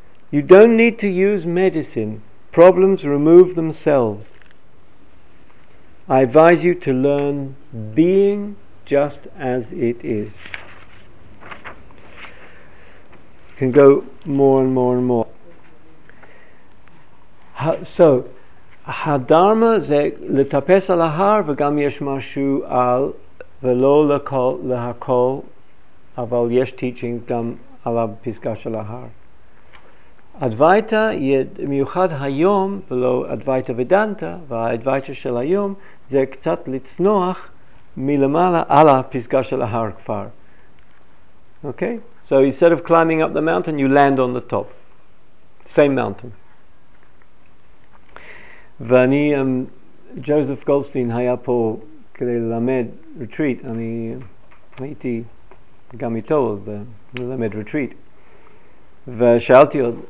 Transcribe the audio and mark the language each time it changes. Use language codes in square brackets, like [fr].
[en] You don't need to use medicine. Problems remove themselves. I advise you to learn being just as it is. Can go more and more and more. [he] So, הדרמה זה לטפס על ההר וגם יש משהו על ולא לכל, להכל, אבל יש teaching גם על הפסגה של ההר. אדווייטה, מיוחד היום, ולא אדווייטה ודנטה, והאדווייטה של היום, זה קצת לצנוח מלמעלה על הפסגה של ההר כבר. [en] Okay? So instead of climbing up the mountain, you land on the top. Same mountain. [he] ואני, ג'וזף גולדסטין היה פה כדי ללמד רטריט, אני הייתי גם איתו ללמד רטריט, ושאלתי